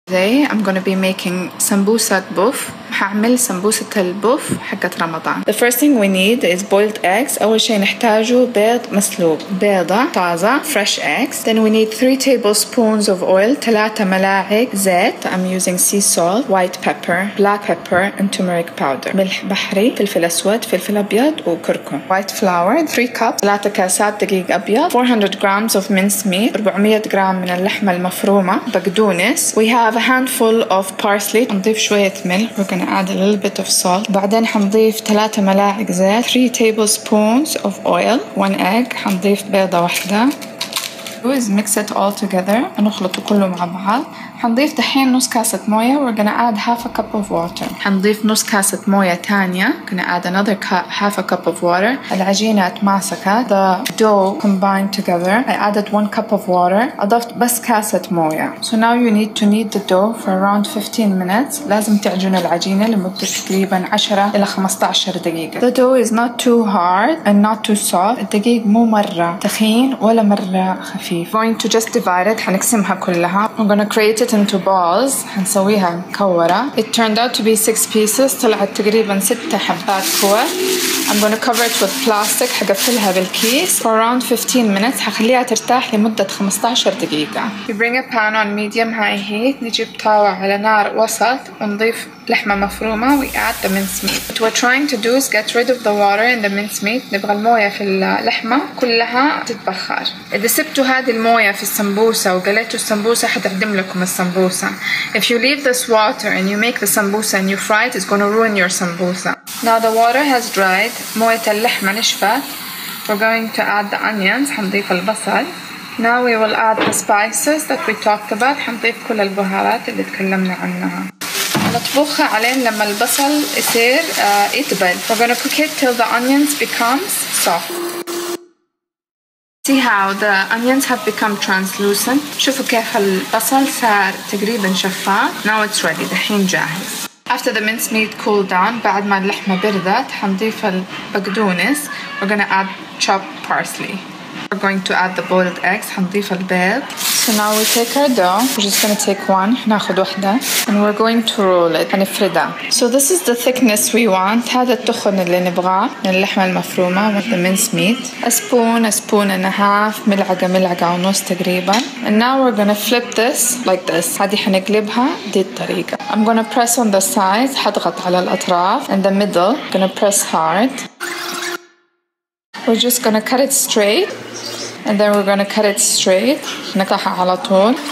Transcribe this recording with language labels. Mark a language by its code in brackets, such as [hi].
[en] Today I'm going to be making sambusat buf. [ar] هعمل سمبوسه البوف حقت رمضان. [en] The first thing we need is boiled eggs. [ar] اول شيء نحتاجه بيض مسلوق, بيضه طازه, [en] fresh eggs. Then we need 3 tablespoons of oil, [ar] 3 ملاعق زيت. [en] I'm using sea salt, white pepper, black pepper and turmeric powder. [ar] ملح بحري, فلفل اسود, فلفل ابيض وكركم. [en] White flour 3 cups, [ar] 3 كاسات دقيق ابيض. [en] 400 grams of minced meat, [ar] 400 جرام من اللحمه المفرومه, بقدونس. [en] We have a handful of parsley. [ar] نضيف شويه ملح. [en] We're gonna add a little bit of salt. [ar] بعدين حنضيف 3 ملاعق زيت, [en] 3 tablespoons of oil, 1 egg. [ar] حنضيف بيضة واحدة. [en] Is mix it all together. [ar] نخلطه كله مع بعض. حنضيف دحين نص كاسة موية. [en] We're gonna add half a cup of water. [ar] حنضيف نص كاسة موية تانية. [en] Gonna add another half a cup of water. [ar] العجينة اتماسكت. [en] The dough combined together. I added 1 cup of water. [ar] أضفت بس كاسة موية. [en] So now you need to knead the dough for around 15 minutes. [ar] لازم تعجن العجينة لمدة تقريبا 10 إلى 15 دقيقة. [en] The dough is not too hard and not too soft. [ar] الدقيق مو مرة تخين ولا مرة خفيف. [en] Going to just divide it, [ar] حنقسمها كلها. [en] We're gonna create it into balls, [ar] حنسويها مكورة. [en] It turned out to be 6 pieces, [ar] طلعت تقريبا 6 حبات كور. [en] I'm gonna cover it with plastic, [ar] حقفلها بالكيس. [en] For around 15 minutes, [ar] حخليها ترتاح لمدة 15 دقيقة. [en] We bring a pan on medium high heat, [ar] نجيب طاوة على نار وسط ونضيف لحمة مفرومة. [en] We add the minced meat. What we're trying to do is get rid of the water in the minced meat. [ar] نبغى الموية في اللحمة كلها تتبخر. إذا سبتوا هذه الموية في السمبوسة وقليتوا السمبوسة حتعدم لكم السمبوسة. [en] If you leave this water and you make the sambusa and you fry it, it's gonna ruin your sambusa. Now the water has dried. [ar] موية اللحمة نشفت. [en] We're going to add the onions. [ar] حنضيف البصل. [en] Now we will add the spices that we talked about. [ar] حنضيف كل البهارات اللي تكلمنا عنها. نطبخها علينا لما البصل يصير يدبل. [en] We're gonna cook it till the onions becomes soft. See how the onions have become translucent. [ar] شوفوا كيف البصل صار تقريبا شفاف. [en] Now it's ready. [ar] دحين جاهز. [en] After the minced meat cooled down, [ar] بعد ما اللحمة بردت, حنضيف البقدونس. [en] We're gonna add chopped parsley. We're going to add the boiled eggs. [ar] حنضيف البيض. [en] So now we take our dough. We're just gonna take one. [ar] ناخد واحدة. [en] And we're going to roll it. [ar] حنفردها. [en] So this is the thickness we want. [ar] هذا التخن اللي نبغاه من اللحمة المفرومة [en] with the minced meat. A spoon and a half. [ar] ملعقة ملعقة ونص تقريبا. [en] And now we're gonna flip this like this. [ar] هذه حنقلبها دي الطريقة. [en] I'm gonna press on the sides. [ar] حضغط على الأطراف. [en] And the middle. I'm gonna press hard. We're just gonna cut it straight. And then we're gonna cut it straight. [ar] نقطعها على طول.